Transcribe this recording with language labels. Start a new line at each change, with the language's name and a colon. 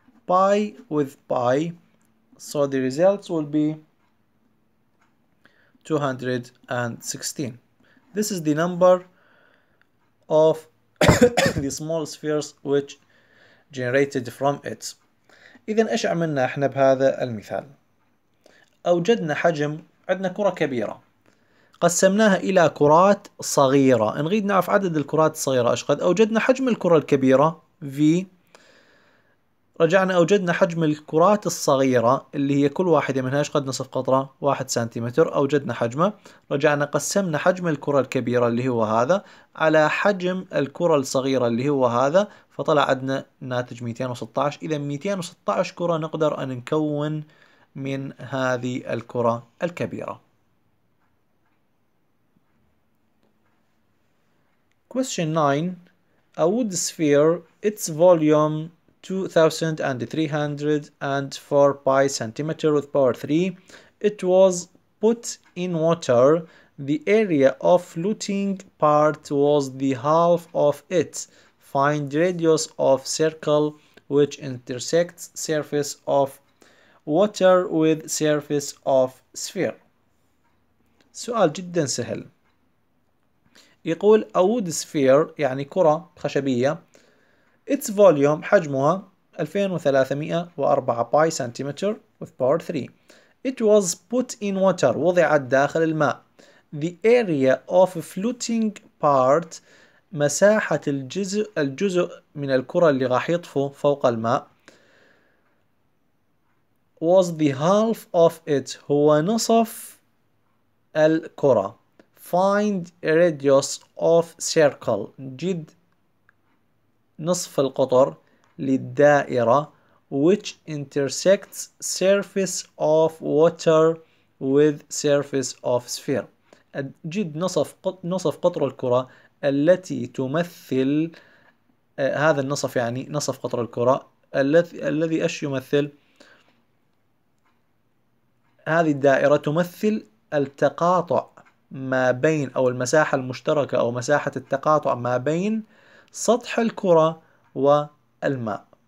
English: Pi with pi, so the results will be 216. This is the number of the small spheres which generated from it.
Arabic: إذن إيش عملنا إحنا بهذا المثال؟ أوجدنا حجم، عندنا كرة كبيرة قسمناها إلى كرات صغيرة. نريد نعرف عدد الكرات الصغيرة أشقد. أوجدنا حجم الكرة الكبيرة V، رجعنا أوجدنا حجم الكرات الصغيرة اللي هي كل واحدة منها أشقد نصف قطرة 1 سنتيمتر. أوجدنا حجمه، رجعنا قسمنا حجم الكرة الكبيرة اللي هو هذا على حجم الكرة الصغيرة اللي هو هذا، فطلع عندنا ناتج 216. إذا 216 كرة نقدر أن نكون من هذه الكرة الكبيرة.
English: Question 9: A wood sphere, its volume 2304 pi centimeter with power 3. It was put in water. The area of floating part was the half of it. Find radius of circle which intersects surface of water with surface of sphere.
Arabic: سؤال جدا سهل. يقول
English: a wood sphere
Arabic: يعني كرة خشبية.
English: Its volume
Arabic: حجمها 2304 باي سنتيمتر
English: with power 3. It was put in water
Arabic: وضعت داخل الماء.
English: The area of floating part
Arabic: مساحة الجزء من الكرة اللي راح يطفو فوق الماء
English: was the half of it
Arabic: هو نصف الكرة.
English: Find radius of circle
Arabic: جد نصف القطر للدائرة
English: which intersects surface of water with surface of sphere.
Arabic: جد نصف قطر الكرة التي تمثل هذا النصف يعني نصف قطر الكرة الذي أش يمثل هذه الدائرة تمثل التقاطع ما بين أو المساحة المشتركة أو مساحة التقاطع ما بين سطح الكرة والماء.